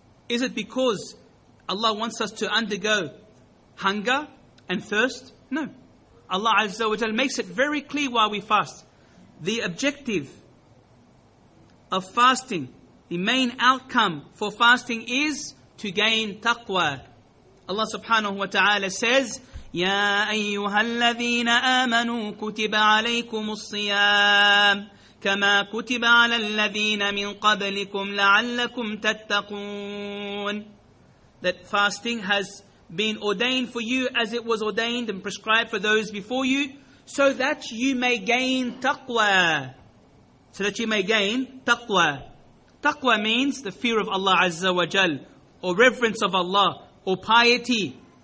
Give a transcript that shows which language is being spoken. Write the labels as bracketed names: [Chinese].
[English] Is it because Allah wants us to undergo hunger and thirst? No. Allah Azza wa Jalla makes it very clear why we fast. The objective of fasting, the main outcome for fasting is to gain taqwa. Allah subhanahu wa ta'ala says, [Arabic] يَا أَيُّهَا الَّذِينَ آمَنُوا كُتِبَ عَلَيْكُمُ الصِّيَامِ كَمَا كُتِبَ عَلَى الَّذِينَ مِنْ قَبْلِكُمْ لَعَلَّكُمْ تَتَّقُونَ. [English] That fasting has been ordained for you as it was ordained and prescribed for those before you, so that you may gain taqwa. So that you may gain taqwa. Taqwa means the fear of Allah Azza wa Jal, or reverence of Allah, or piety.